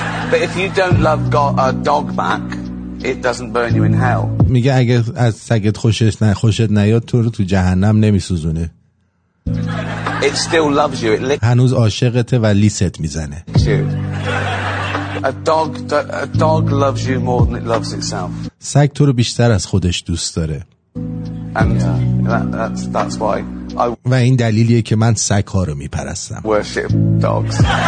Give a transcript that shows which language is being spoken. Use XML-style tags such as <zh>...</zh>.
<en>But if you don't love God, a dog back, it doesn't burn you in hell.</en> <fa>میگه اگه از سگت خوشت نیاد، تو رو تو جهنم نمیسوزونه.</fa> <en>It still loves you.</en> <fa>هنوز عاشقته و لیست میزنه.</fa> <en>A dog loves you more than it loves itself.</en> <fa>سگ تو رو بیشتر از خودش دوست داره.</fa> <en>And that's why.</en> <fa>و این دلیلیه که من سگ ها رو میپرستم.</fa> <en>Worship dogs.</en>